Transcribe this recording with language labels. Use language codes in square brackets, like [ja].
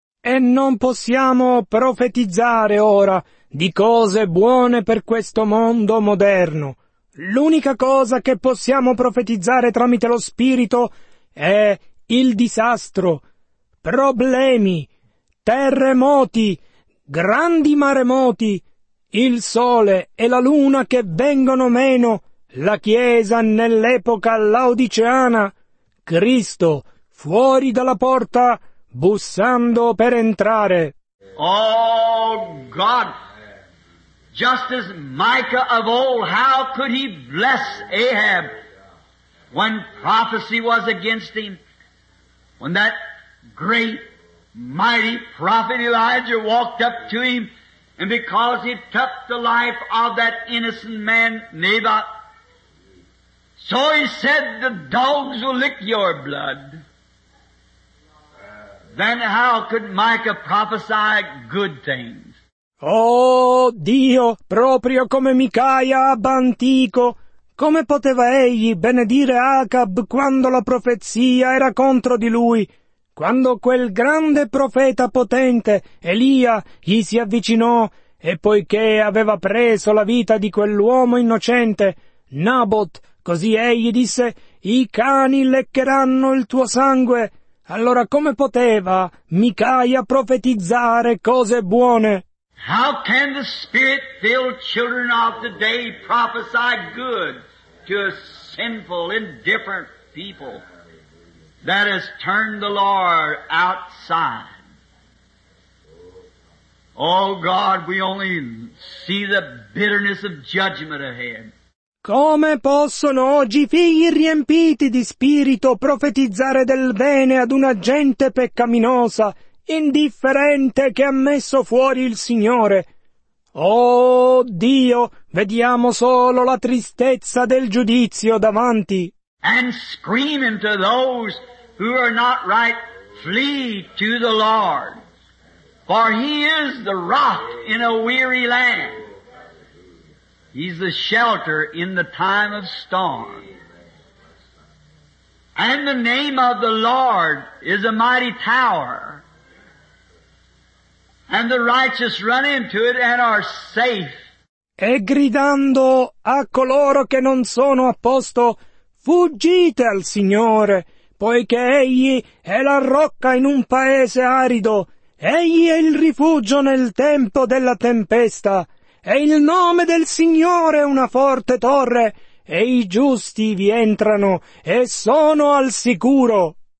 [it] E non possiamo profetizzare ora di cose buone per questo mondo moderno. L'unica cosa che possiamo profetizzare tramite lo Spirito è il disastro, problemi, terremoti, grandi maremoti, il sole e la luna che vengono meno, la Chiesa nell'epoca laodiceana, Cristo fuori dalla porta bussando per entrare. [en] Oh, God! Just as Micah of old, how could he bless Ahab when prophecy was against him? When that great, mighty prophet Elijah walked up to him, and because he took the life of that innocent man, Naboth, so he said, the dogs will lick your blood. Then how could Micah prophesy good things? [it] Oh Dio, proprio come Micaia ab antico, come poteva egli benedire Acab quando la profezia era contro di lui, quando quel grande profeta potente Elia gli si avvicinò e poiché aveva preso la vita di quell'uomo innocente, Naboth, così egli disse, i cani leccheranno il tuo sangue. Allora come poteva Micaia profetizzare cose buone? [en] How can the Spirit-filled children of the day prophesy good to a sinful, indifferent people that has turned the Lord outside? Oh God, we only see the bitterness of judgment ahead. [it] Come possono oggi figli riempiti di spirito profetizzare del bene ad una gente peccaminosa, indifferente che ha messo fuori il Signore? Oh Dio, vediamo solo la tristezza del giudizio davanti. [en] And screaming to those who are not right, flee to the Lord, for He is the rock in a weary land. He's the shelter in the time of storm. And the name of the Lord is a mighty tower. And the righteous run into it and are safe. [it] E gridando a coloro che non sono a posto, fuggite al Signore, poiché Egli è la rocca in un paese arido, Egli è il rifugio nel tempo della tempesta, e il nome del Signore è una forte torre, e i giusti vi entrano e sono al sicuro.